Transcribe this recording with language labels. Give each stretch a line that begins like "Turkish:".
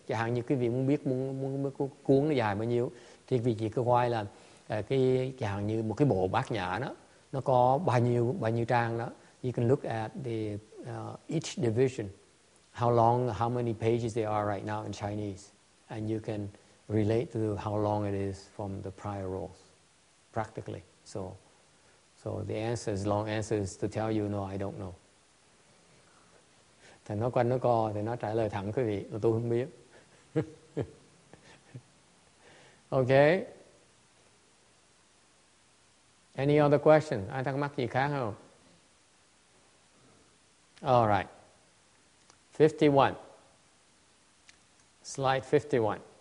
Vietnamese: Chẳng hạn như quý vị muốn biết cuốn nó dài bao nhiêu, thì quý vị chỉ có coi là chẳng hạn như một cái bộ Bát Nhã đó, nó có bao nhiêu trang đó.
English: You can look at the each division, how many pages they are right now in Chinese, and you can relate to how long it is from the prior rolls, practically. So the answer is, long answer is to tell you, no, I don't know.
Vietnamese: Thầy nói quanh nó co, thì nó trả lời thẳng quý vị, là tôi không biết.
English: Okay. Any other question?
Vietnamese: Ai thắc mắc gì khác không?
English: All right. 51. Slide 51.